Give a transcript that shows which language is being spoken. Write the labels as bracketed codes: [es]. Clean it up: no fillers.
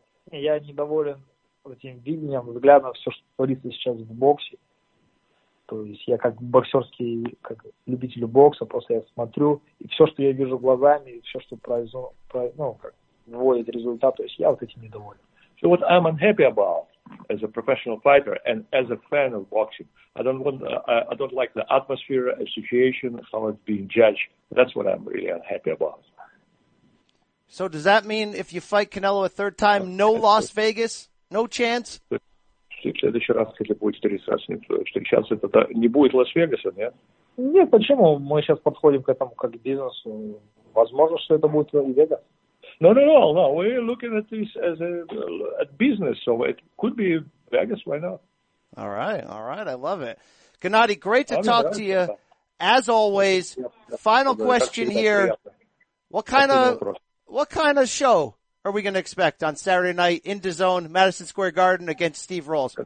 [ru] Этим видением, взглядом, все, что творится сейчас в боксе. То есть я как боксерский, как любитель бокса, просто я смотрю, и все, что я вижу глазами, и все, что выводит результат, то есть я вот этим недоволен. [en] So what I'm unhappy about as a professional fighter and as a fan of boxing, I don't like the atmosphere, the situation, how it's being judged. That's what I'm really unhappy about. So does that mean if you fight Canelo a third time, no Las Vegas? No chance. [ru] В следующий раз, если будет встречаться, это не будет Лас-Вегаса, нет? Нет, почему? Мы сейчас подходим к этому как к бизнесу. Возможно, что это будет Вегас. [en] No. We're looking at this as a business, so it could be Vegas, why not? All right. I love it. Gennady, great to talk to you. As always, final question here. What kind of show are we going to expect on Saturday night in DAZN, Madison Square Garden against Steve Rolls?